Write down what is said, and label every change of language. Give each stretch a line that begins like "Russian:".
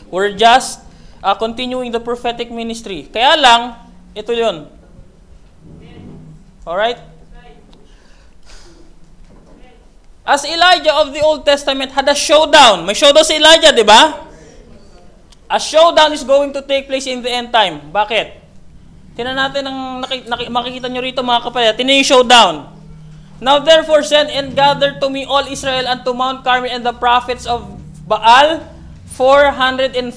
English: We're just continuing the prophetic ministry.
Filipino: Kaya lang, ito yun.
English: Alright? As Elijah of the Old Testament had a showdown.
Filipino: May showdown si Elijah, di ba?
English: A showdown is going to take place in the end time.
Filipino: Bakit? Tingnan natin ang makikita nyo rito mga kapatid. Tingnan yung showdown.
English: Now therefore send and gather to me all Israel and to Mount Carmel and the prophets of Baal 450.